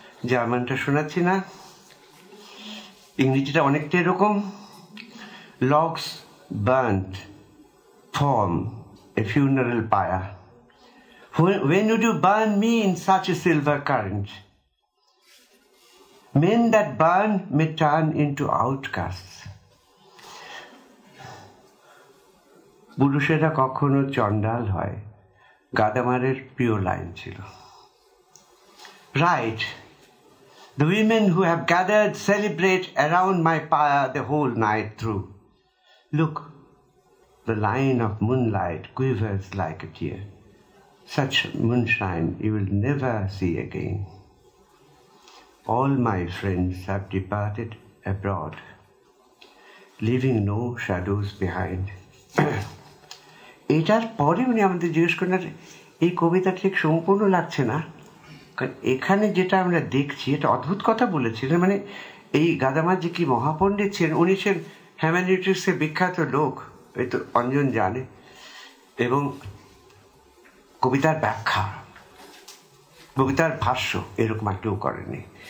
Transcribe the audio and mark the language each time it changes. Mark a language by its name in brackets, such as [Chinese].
[Bangla] জার্মানটা শোনাচ্ছি না, ইংরেজিটা অনেকটা এরকম, [English] logs burned from a funeral pyre, when you burn me in such a silver current, men that burn may turn into outcast, [Bangla] পুরুষেরা কখনো চণ্ডাল হয়, গাদামারের প্রিয় লাইন ছিল। [English] Right, the women who have gathered celebrate around my pyre the whole night through, look, the line of moonlight quivers like a tear, such moonshine you will never see again, all my friends have departed abroad leaving no shadows behind. [Bangla] এটার পরে উনি আমাদের জিজ্ঞেস করেন এই কবিতা ঠিক সম্পূর্ণ লাগছে না, কারণ এখানে যেটা আমরা দেখছি এটা অদ্ভুত কথা বলেছিলেন, মানে এই গাদামার যে কি মহাপণ্ডিত ছিলেন, উনি ছিলেন হিউম্যানিটিক্সের বিখ্যাত লোক, এই তো অঞ্জন জানে, এবং কবিতার ব্যাখ্যা, কবিতার ভাষ্য এরকম আর কেউ করেনি।